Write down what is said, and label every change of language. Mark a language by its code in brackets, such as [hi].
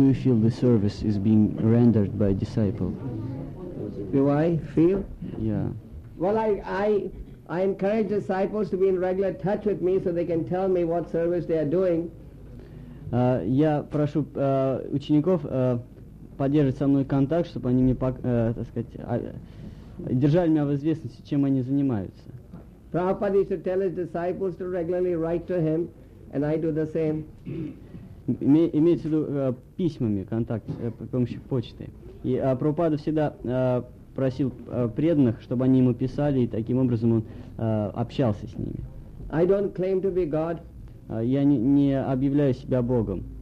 [en] you feel the service is being rendered by disciple? Do I feel? Yeah. Well, I encourage disciples to be in regular touch with me so they can tell me what service they are doing. [ru] Я прошу учеников поддерживать со мной контакт, чтобы они мне, так сказать, держали меня в известности, чем они занимаются. [en] Prabhupada used to tell his disciples to regularly write to him, and I do the same. [ru] Имеется в виду письмами, контакт по помощи почты. И Прабхупада всегда просил преданных, чтобы они ему писали, и таким образом он общался с ними. [en] I don't claim to be God. [ru] Я не объявляю себя Богом.